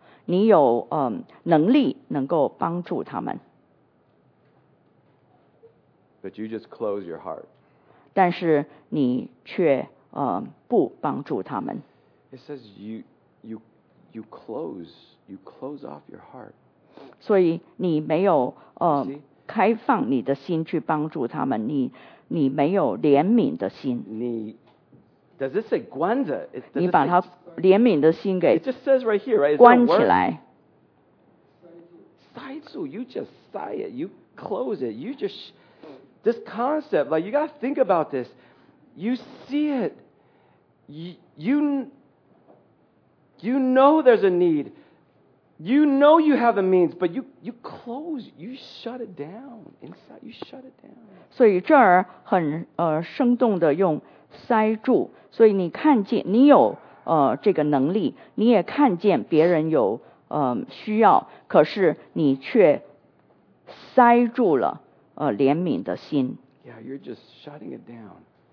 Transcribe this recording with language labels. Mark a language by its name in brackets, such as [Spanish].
[Chinese] 你有能力能够帮助他们。 [English] But you just close your heart. [Chinese] 但是你却不帮助他们。 [English] It says you close off your heart. [Chinese] 所以你没有开放你的心去帮助他们，你没有怜悯的心。 [English] 你 does it say 关着？ [Chinese] 你把他怜悯的心给 [English] it just says right here, right? [Chinese] 关起来。 [English] 塞住 ，you just 塞 it, you close it, you just this concept. Like you got to think about this. You see it. You know there's a need. You know you have the means, but you close, you shut it down inside. You shut it down. [Chinese] 所以这儿很生动的用塞住。所以你看见你有这个能力，你也看见别人有需要，可是你却塞住了怜悯的心。 [English] Yeah, you're just shutting it down.